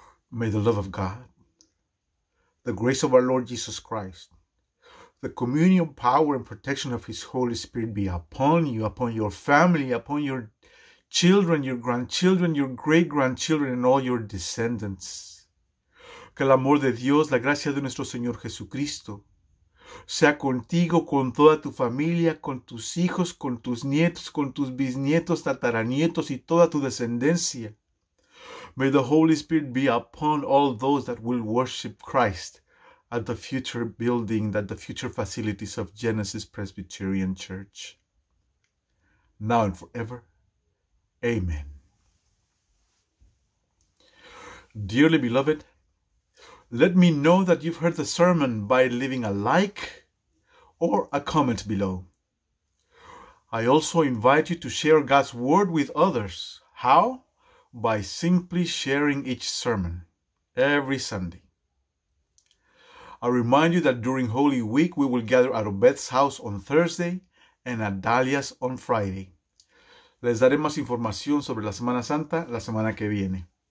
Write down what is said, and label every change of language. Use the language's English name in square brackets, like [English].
[English] May the love of God, the grace of our Lord Jesus Christ, the communion, power, and protection of his Holy Spirit be upon you, upon your family, upon your children, your grandchildren, your great-grandchildren, and all your descendants. [Spanish] Que el amor de Dios, la gracia de nuestro Señor Jesucristo, sea contigo, con toda tu familia, con tus hijos, con tus nietos, con tus bisnietos, tataranietos, y toda tu descendencia. [English] May the Holy Spirit be upon all those that will worship Christ at the future building, at the future facilities of Genesis Presbyterian Church. Now and forever. Amen. Dearly beloved, let me know that you've heard the sermon by leaving a like or a comment below. I also invite you to share God's word with others. How? By simply sharing each sermon every Sunday. I remind you that during Holy Week, we will gather at Obed's house on Thursday and at Dahlia's on Friday. [Spanish] Les daré más información sobre la Semana Santa la semana que viene.